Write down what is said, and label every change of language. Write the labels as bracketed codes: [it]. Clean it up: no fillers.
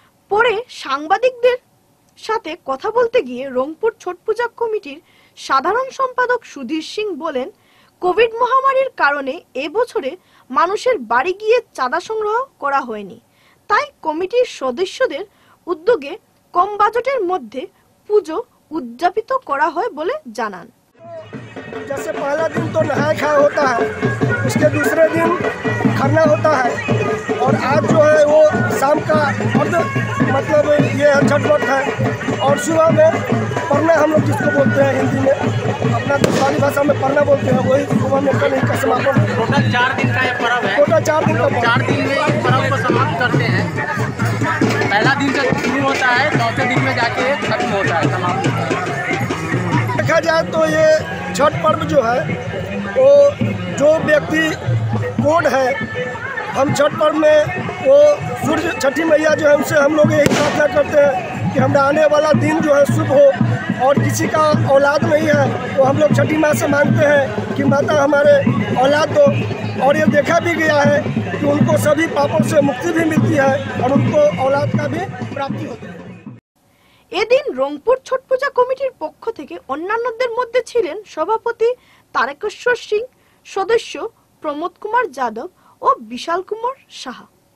[bn] পরে সাংবাদিকদের সাথে কথা বলতে গিয়ে রংপুর ছট পূজা কমিটির সাধারণ সম্পাদক সুধীর সিং বলেন, কোভিড মহামারীর কারণে এবছরে মানুষের বাড়ি গিয়ে চাঁদা সংগ্রহ করা হয়নি, তাই কমিটির সদস্যদের উদ্যোগে কম বাজেটের মধ্যে পুজো উদযাপিত করা হয় বলে জানান। [hi] जैसे पहला दिन तो नहाय खाय होता है, उसके दूसरे दिन खरना होता है और आज जो है वो शाम का अर्ध, मतलब ये छठ व्रत है और सुबह में परना हम लोग जिसको बोलते हैं हिंदी में, अपना दूसरी भाषा में परना बोलते हैं, वही सुबह में कल इनका समापन। टोटल 4 दिन का ये पर्व है। टोटल 4 दिन का, 4 दिन में इस पर्व को समाप्त करते हैं। पहला दिन जब शुरू होता है, 9वें दिन में जाके खत्म होता है, समाप्त। देखा जाए तो ये छठ पर्व जो है वो जो व्यक्ति कोड है, हम छठ पर्व में वो सूर्य छठी मैया जो है उनसे हम लोग यही प्रार्थना करते हैं कि हमारा आने वाला दिन जो है शुभ हो, और किसी का औलाद नहीं है तो हम लोग छठी माँ से मांगते हैं कि माता हमारे औलाद दो, और ये देखा भी गया है कि उनको सभी पापों से मुक्ति भी मिलती है और उनको औलाद का भी प्राप्ति होती है। [bn] এদিন রংপুর ছট পূজা কমিটির পক্ষ থেকে অন্যান্যদের মধ্যে ছিলেন সভাপতি তারকেশ্বর সিং, সদস্য প্রমোদ কুমার যাদব ও বিশাল কুমার সাহা।